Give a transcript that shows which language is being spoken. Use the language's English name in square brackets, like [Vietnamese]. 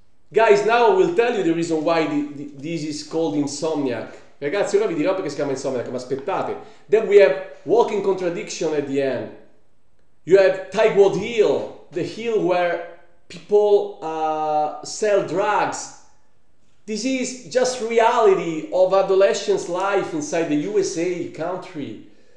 [English] Guys, now I will tell you the reason why this is called Insomniac. [Italian] Ragazzi, ora vi dirò perché si chiama Insomniac, ma aspettate. [English] Then we have Walking Contradiction at the end. You have Tigwood Hill, the hill where people sell drugs. This is just reality of adolescent life inside the USA country.